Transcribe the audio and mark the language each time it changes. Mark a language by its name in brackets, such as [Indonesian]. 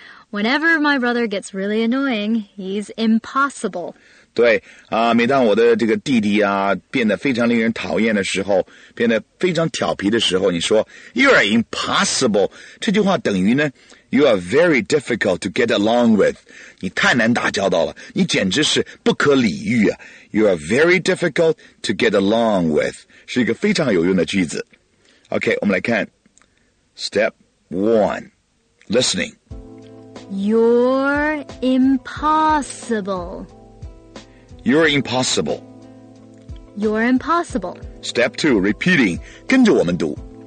[English] Whenever my brother gets really annoying, he's impossible. [Chinese] 对,每当我的这个弟弟啊,变得非常令人讨厌的时候,变得非常调皮的时候,你说 [English] You're impossible. [Chinese] 这句话等于呢 [English] You are very difficult to get along with. [Chinese] 你太难打交道了,你简直是不可理喻啊。 [English] You are very difficult to get along with. [Chinese] 是一个非常有用的句子。 OK, 我们来看 [English] Step 1. Listening. You're impossible. You're impossible. You're impossible. Step 2, repeating. [Chinese] 跟着我们读。